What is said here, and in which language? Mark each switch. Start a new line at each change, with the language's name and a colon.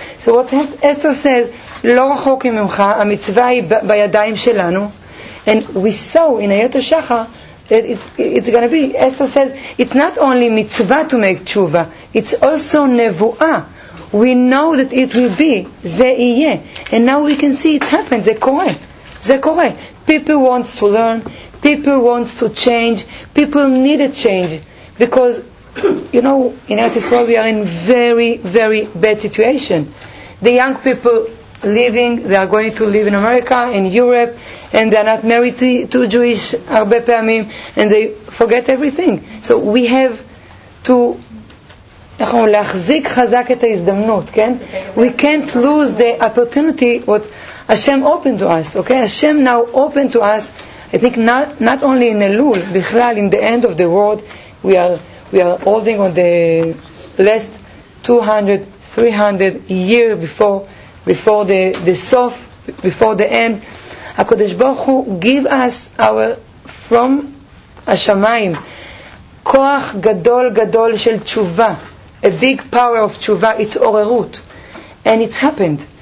English: So what Esther says,
Hebrew: לא רחוק ממך, המצווה היא בידיים שלנו.
English: And we saw in Ayelet HaShachar that it's going to be, Esther says, it's not only mitzvah to make tshuva, it's also nevuah. We know that it will be,
Hebrew: זה יהיה.
English: And now we can see it's happened,
Hebrew: זה קורה.
English: People want to learn, people want to change, people need a change. Because, you know, in Eretz Yisrael we are in very, very bad situation. The young people living, they are going to live in America, in Europe, and they are not married to Jewish Arbe Pe'amim, and they forget everything. So we have to
Hebrew: להחזיק חזק את ההזדמנות, כן?
English: We can't lose the opportunity what Hashem opened to us, okay? Hashem now opened to us, I think not only in Elul, בכלל, in the end of the world, we are holding on the last 200, 300 years before the end, HaKadosh Baruch Hu give us our from
Hebrew: Hashamayim koach gadol shel tshuva,
English: a big power of tshuva, itzorerut, and it's happened.